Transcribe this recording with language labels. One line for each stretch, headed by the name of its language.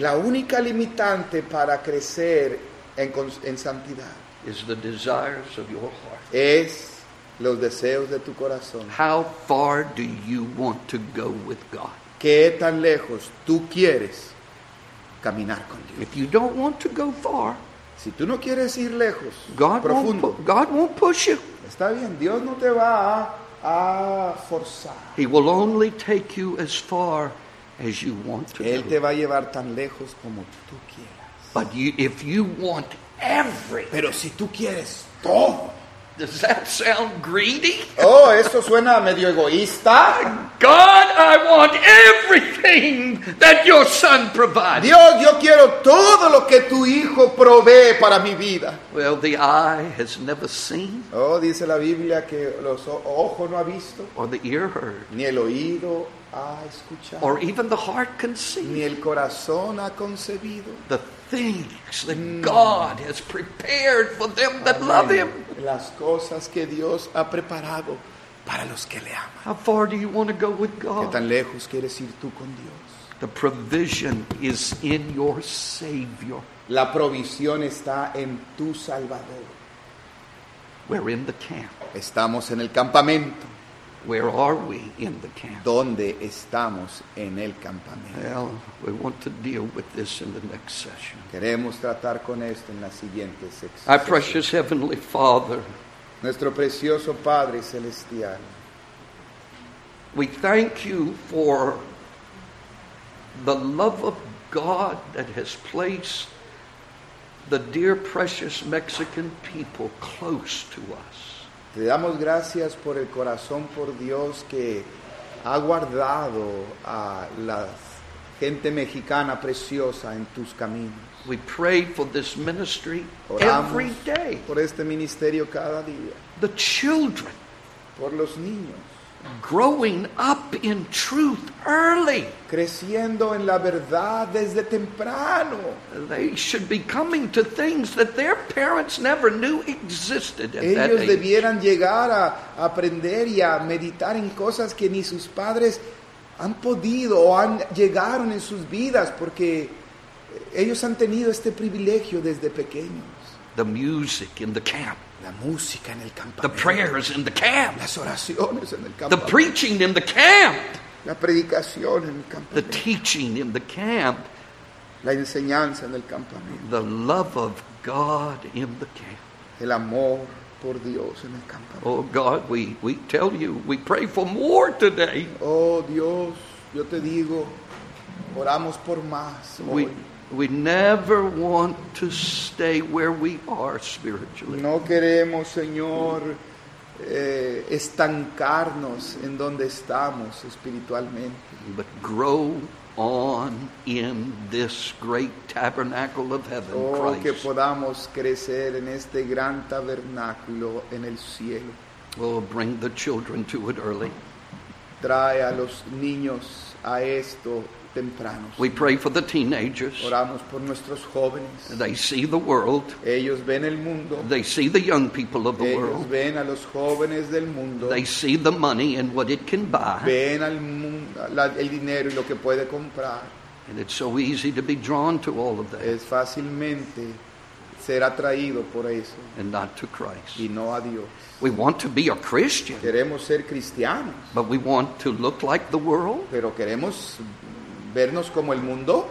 Spanish: La única limitante para crecer en santidad.
English: Is the desires of your heart.
Spanish: Es los deseos de tu corazón.
English: How far do you want to go with God?
Spanish: ¿Qué tan lejos tú quieres caminar con Dios?
English: If you don't want to go far.
Spanish: Si tú no quieres ir lejos,
English: God
Spanish: profundo,
English: God won't push you.
Spanish: Está bien, Dios no te va a forzar.
English: He will only take you as far as you want to.
Spanish: Él te va a llevar tan lejos como tú quieras.
English: But if you want everything,
Spanish: pero si tú quieres todo,
English: does that sound greedy?
Spanish: Oh, eso suena medio egoísta.
English: God, I want everything that your son provides.
Spanish: Dios, yo quiero todo lo que tu hijo provee para mi vida.
English: Well, the eye has never seen.
Spanish: Oh, dice la Biblia que los ojos no ha visto.
English: Or the ear heard.
Spanish: Ni el oído ha escuchado.
English: Or even the heart conceived.
Spanish: Ni el corazón ha concebido.
English: The things that God has prepared for them that
Spanish: Amén.
English: Love him.
Spanish: Las cosas que Dios ha preparado para los que le aman.
English: How far do you want to go with God?
Spanish: ¿Qué tan lejos quieres ir tú con Dios?
English: The provision is in your Savior.
Spanish: La provisión está en tu Salvador.
English: We're in the camp.
Spanish: Estamos en el campamento.
English: Where are we in the camp?
Spanish: ¿Dónde estamos en el campamento?
English: Well, we want to deal with this in the next session.
Spanish: Queremos tratar con esto en la siguiente sección.
English: Our precious Heavenly Father,
Spanish: nuestro precioso Padre Celestial,
English: we thank you for the love of God that has placed the dear, precious Mexican people close to us.
Spanish: Te damos gracias por el corazón por Dios que ha guardado a la gente mexicana preciosa en tus caminos.
English: We pray for this ministry
Spanish: Oramos
English: every day.
Spanish: Por este ministerio cada día.
English: The children.
Spanish: Por los niños.
English: Growing up in truth early.
Spanish: Creciendo en la verdad desde temprano.
English: They should be coming to things that their parents never knew existed at
Spanish: Ellos
English: that age.
Spanish: Debieran llegar a aprender y a meditar en cosas que ni sus padres han podido o han llegaron en sus vidas porque ellos han tenido este privilegio desde pequeños.
English: The music in the camp.
Spanish: La música en el campamento.
English: The prayers in the camp.
Spanish: Las oraciones en el campamento.
English: The preaching in the camp.
Spanish: La predicación en el campamento.
English: The teaching in the camp.
Spanish: La enseñanza en el campamento.
English: The love of God in the camp.
Spanish: El amor por Dios en el campamento.
English: Oh God, we tell you, we pray for more today.
Spanish: Oh Dios, yo te digo, oramos por más hoy.
English: We never want to stay where we are spiritually.
Spanish: No queremos, Señor, estancarnos en donde estamos espiritualmente.
English: But grow on in this great tabernacle of heaven, oh, Christ.
Spanish: Que podamos crecer en este gran tabernáculo en el cielo.
English: Oh, bring the children to it early.
Spanish: Trae a los niños a esto. Tempranos.
English: We pray for the teenagers.
Spanish: Oramos por nuestros jóvenes.
English: They see the world.
Spanish: Ellos ven el mundo.
English: They see the young people of the
Spanish: Ellos
English: world.
Spanish: Ellos ven a los jóvenes del mundo.
English: They see the money and what it can buy.
Spanish: Ven al mundo, el dinero y lo que puede comprar.
English: And it's so easy to be drawn to all of that.
Spanish: Es fácilmente ser atraído por eso.
English: And not to Christ.
Spanish: Y no a Dios.
English: We want to be a Christian.
Spanish: Queremos ser cristianos.
English: But we want to look like the world.
Spanish: Pero queremos vernos como el mundo.